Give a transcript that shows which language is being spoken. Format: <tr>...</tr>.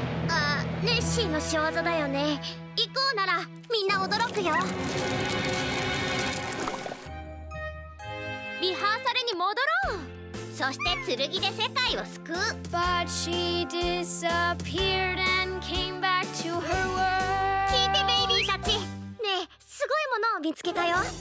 <ja>あ、ネッシーの仕業だよね。行こう。ならみんな驚くよ。リハーサルに戻ろう。そして剣で世界を救う。</ja> <en>But she disappeared and came back to her world.</en> <ja>聞いて、ベイビーたち。ねえ、すごいものを見つけたよ。</ja>